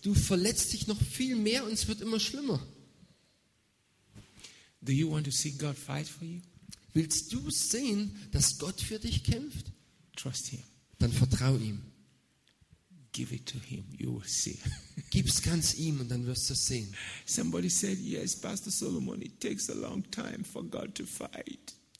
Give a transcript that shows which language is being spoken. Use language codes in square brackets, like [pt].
[de] Du verletzt dich noch viel mehr und es wird immer schlimmer. [en] Do you want to see God fight for you? [de] Willst du sehen, dass Gott für dich kämpft? [en] Trust him. [de] Dann vertrau ihm. [en] Give it to him, you will see. [de] Gib's ganz ihm und dann wirst du sehen. [en] Somebody said, yes, Pastor Solomon, it takes a long time for God to fight.